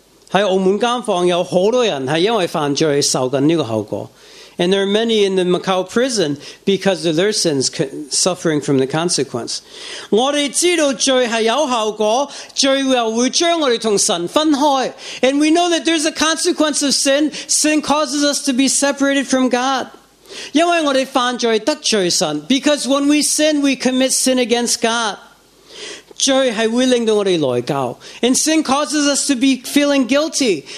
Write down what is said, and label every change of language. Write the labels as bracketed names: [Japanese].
[Chinese] 在澳门监房有很多人是因为犯罪受着这个后果。 [English] And there are many in the Macau prison because of their sins suffering from the consequence. [Chinese] 我们知道罪是有后果，罪又会将我们从神分开。 [English] And we know that there's a consequence of sin. Sin causes us to be separated from God. [Chinese] 因为我们犯罪得罪神。 [English] Because when we sin, we commit sin against God. [Chinese] 罪是会令到我们内疚。 [English] And sin causes us to be feeling guilty.